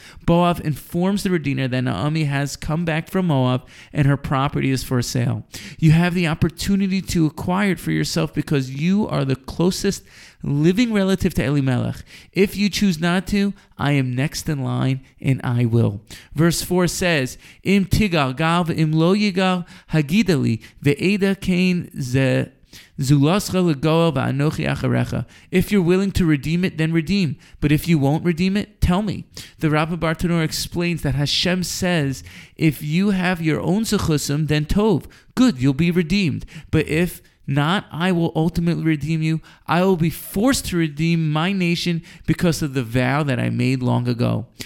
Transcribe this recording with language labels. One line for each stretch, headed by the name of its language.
English: Boaz informs the redeemer that Naomi has come back from Moab and her property is for sale. You have the opportunity to acquire it for yourself because you are the closest living relative to Elimelech. If you choose not to, I am next in line and I will. Verse 4 says,
Hebrew: Im tigal gav im lo yigal hagidali ve'eda kein zeh.
English: If you're willing to redeem it, then redeem. But if you won't redeem it, tell me. The Rabbi Bartanur explains that Hashem says, if you have your own zechusim, then tov, good, you'll be redeemed. But if not, I will ultimately redeem you. I will be forced to redeem my nation because of the vow that I made long ago.